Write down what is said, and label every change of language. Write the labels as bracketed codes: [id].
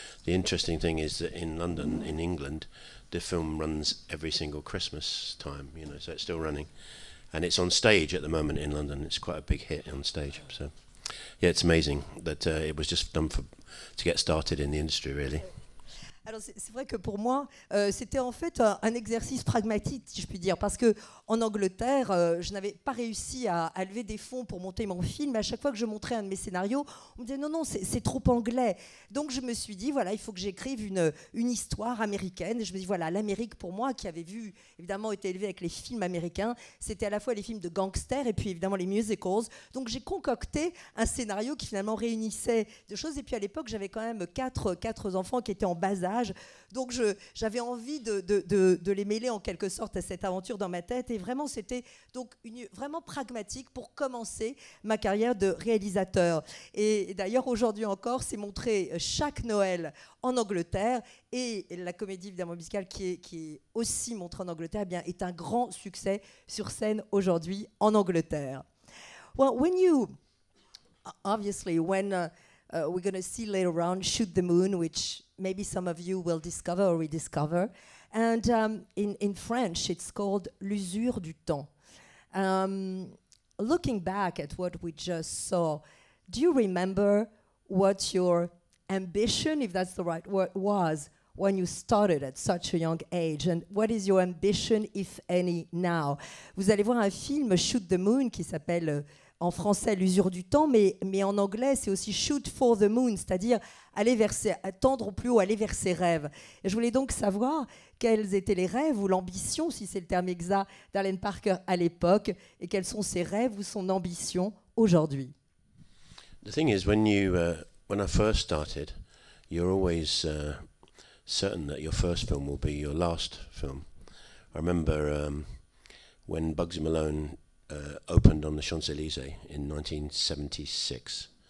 [en] The interesting thing is that in London, in England, the film runs every single Christmas time, you know, so it's still running. And it's on stage at the moment in London. It's quite a big hit on stage. So, yeah, it's amazing that it was just done to get started in the industry, really. [fr] Alors c'est vrai que pour moi, c'était en fait un exercice pragmatique, si je puis dire, parce qu'en Angleterre, je n'avais pas réussi à lever des fonds pour monter mon film. À chaque fois que je montrais un de mes scénarios, on me disait non, c'est trop anglais. Donc je me suis dit, voilà, il faut que j'écrive une histoire américaine. Et je me dis, voilà, l'Amérique pour moi, qui avait vu, évidemment, été élevée avec les films américains, c'était à la fois les films de gangsters et puis évidemment les musicals. Donc j'ai concocté un scénario qui finalement réunissait deux choses. Et puis à l'époque, j'avais quand même quatre enfants qui étaient en bas âge. Donc j'avais envie de les mêler en quelque sorte à cette aventure dans ma tête, et vraiment c'était donc vraiment pragmatique pour commencer ma carrière de réalisateur. Et d'ailleurs aujourd'hui encore, c'est montré chaque Noël en Angleterre, et la comédie évidemment musicale qui est aussi montrée en Angleterre, eh bien, est un grand succès sur scène aujourd'hui en Angleterre. [en] Well, when you obviously we're going to see later on Shoot the Moon, which maybe some of you will discover or rediscover. And in French, it's called L'usure du temps. Looking back at what we just saw, do you remember what your ambition, if that's the right word, was when you started at such a young age? And what is your ambition, if any, now? [fr] Vous allez voir un film, Shoot the Moon, qui s'appelle... en français, l'usure du temps, mais en anglais, c'est aussi shoot for the moon, c'est-à-dire aller tendre au plus haut, aller vers ses rêves. Et je voulais donc savoir quels étaient les rêves ou l'ambition, si c'est le terme exact, d'Alan Parker à l'époque, et quels sont ses rêves ou son ambition aujourd'hui. [en] The thing is, when I first started, you're always certain that your first film will be your last film. I remember when Bugsy Malone opened on the Champs-Élysées in 1976.